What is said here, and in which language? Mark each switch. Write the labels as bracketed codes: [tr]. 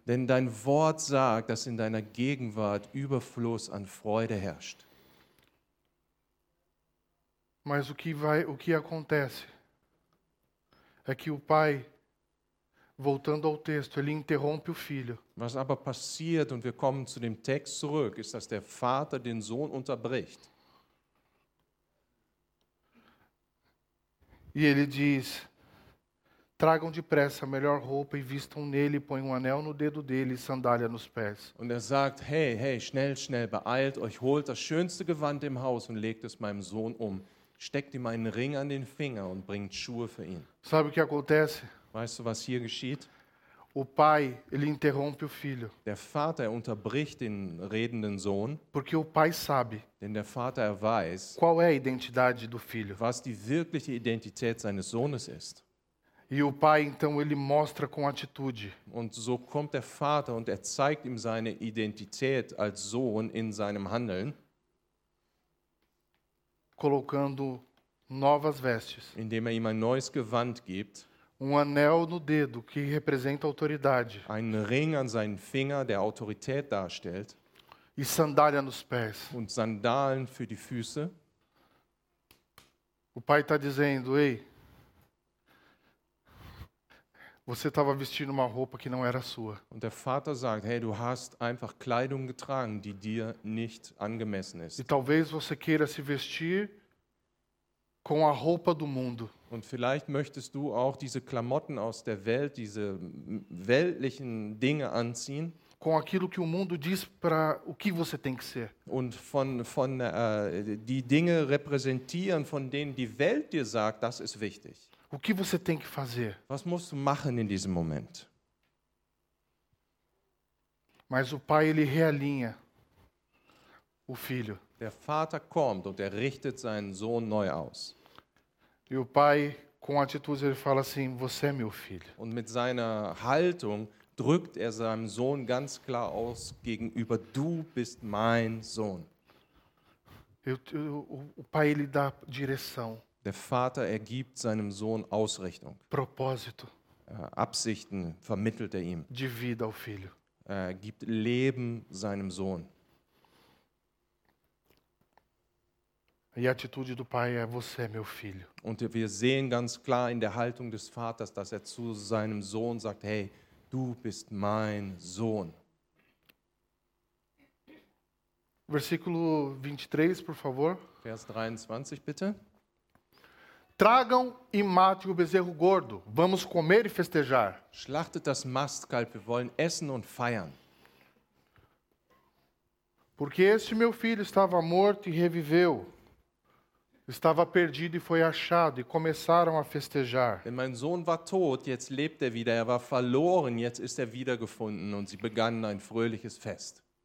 [de] Denn dein Wort sagt, dass in deiner Gegenwart Überfluss an Freude herrscht. [pt] Mas o que acontece é que o pai, voltando ao texto, ele interrompe o filho. [de] Was aber passiert, und wir kommen zu dem Text zurück, ist, dass der Vater den Sohn unterbricht. [pt] E ele diz: Tragam depressa a melhor roupa e vistam nele, põem um anel no dedo dele e sandália nos pés. [de] Und er sagt: Hey, hey, schnell, schnell, beeilt euch, holt das schönste Gewand im Haus und legt es meinem Sohn um. Steckt ihm einen Ring an den Finger und bringt Schuhe für ihn. [pt] Sabe o que acontece? [de] Weißt du, was hier geschieht? [pt] O pai, ele interrompe o filho. [de] Der Vater unterbricht den redenden Sohn. [pt] Porque o pai sabe. [de] Denn der Vater weiß. [pt] Qual é a identidade do filho? [de] Was die wirkliche Identität seines Sohnes ist. [pt] E o pai então ele mostra com atitude. [de] Und so kommt der Vater und er zeigt ihm seine Identität als Sohn in seinem Handeln. [pt] Colocando novas vestes. [de] Indem er ihm ein neues Gewand gibt. [pt] Um anel no dedo que representa autoridade. [de] Ein Ring an seinen Finger, der Autorität darstellt. [pt] E sandália nos pés. [de] Und Sandalen für die Füße. [pt] O pai está dizendo: Ei, você estava vestindo uma roupa que não era sua. [de] Und der Vater sagt: Hey, du hast einfach Kleidung getragen, die dir nicht angemessen ist. [pt] E talvez você queira se vestir com a roupa do mundo. [de] Und vielleicht möchtest du auch diese Klamotten aus der Welt, diese weltlichen Dinge anziehen. [pt] Com aquilo que o mundo diz para o que você tem que ser. [de] Und von die Dinge repräsentieren, von denen die Welt dir sagt, das ist wichtig. [pt] O que você tem que fazer? [de] Was musst du machen in diesem Moment? [pt] Mas o pai, ele realinha o filho. [de] Der Vater kommt und er richtet seinen Sohn neu aus. [pt] E o pai com atitude ele fala assim: você é meu filho. [de] Und mit seiner Haltung drückt seinem Sohn ganz klar aus gegenüber: du bist mein Sohn. [pt] O pai ele dá direção. [de] Der Vater ergibt seinem Sohn Ausrichtung. [pt] Propósito. [de] Absichten vermittelt ihm. [pt] De vida ao filho. [de] Gibt Leben seinem Sohn. [pt] E a atitude do pai é: você é meu filho. [de] Und wir sehen ganz klar in der Haltung des Vaters, dass zu seinem Sohn sagt: hey, du bist mein Sohn. [pt] Versículo 23, por favor. [de] Vers 23, bitte. [pt] Tragam e matem o bezerro gordo. Vamos comer e festejar. [de] Schlachtet das Mastkalb, wir wollen essen und feiern. [pt] Porque este meu filho estava morto e reviveu. Estava perdido e foi achado, e começaram a festejar. [de] Denn mein Sohn war tot, jetzt lebt wieder. Er war verloren, jetzt ist wiedergefunden. Und sie begannen ein fröhliches Fest.